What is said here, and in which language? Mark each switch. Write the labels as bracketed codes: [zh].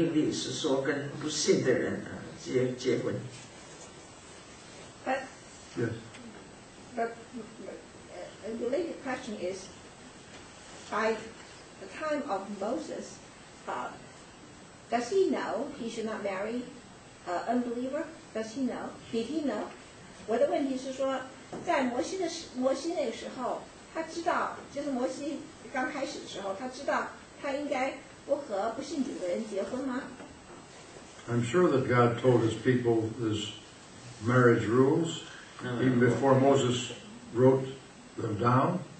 [zh] 这个就是因为他们没有遵守这个命令，是说跟不信的人, 结婚。 [en] But the related question is, by the time of Moses, does he know he should not marry an unbeliever? Does he know? Did he know? [zh] 我的问题是说，在摩西那时候，他知道，就是摩西刚开始的时候，他知道他应该不和不信主的人结婚吗？ [en] I'm sure that God told his people this marriage rules, even before Moses wrote them down.